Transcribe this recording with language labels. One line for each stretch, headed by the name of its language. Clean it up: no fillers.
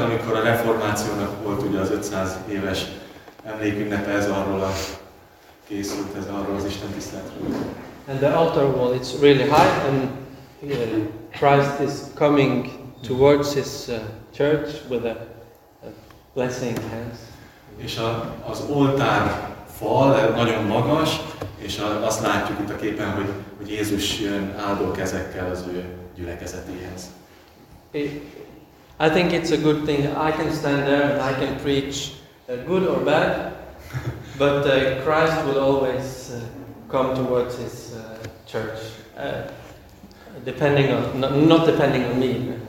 Hungarian: 2017-ben, amikor a reformációnak volt ugye az 500 éves emlékünnepe, ez arról az Isten tiszteletről.
English: And the altar wall, it's really high, and Christ is coming towards his church with a blessing hands.
Hungarian: És az oltár fal nagyon magas, és azt látjuk itt a képen, hogy Jézus jön áldó kezekkel az ő gyülekezetéhez.
English: I think it's a good thing. I can stand there and I can preach good or bad, but Christ will always come towards his church, not depending on me.